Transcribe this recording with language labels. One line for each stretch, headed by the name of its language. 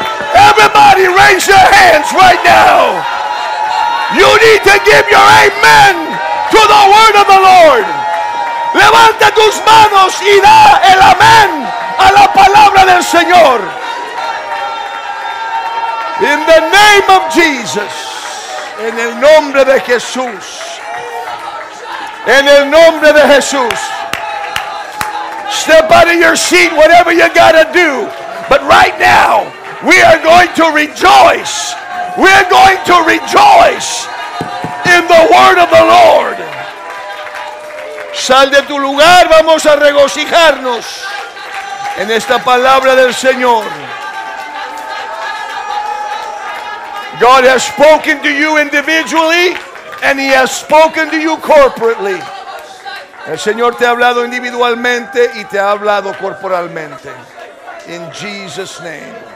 English: Everybody raise your hands right now. You need to give your amen to the word of the Lord.
Spanish: Levanta tus manos y da el amén a la palabra del Señor.
English: In the name of Jesus.
Spanish: En el nombre de Jesús. En el nombre de Jesús.
English: Step out of your seat, whatever you gotta do. But right now, we are going to rejoice. We are going to rejoice in the word of the Lord.
Spanish: Sal de tu lugar, vamos a regocijarnos en esta palabra del Señor.
English: God has spoken to you individually and he has spoken to you corporately.
Spanish: El Señor te ha hablado individualmente y te ha hablado corporalmente.
English: In Jesus' name.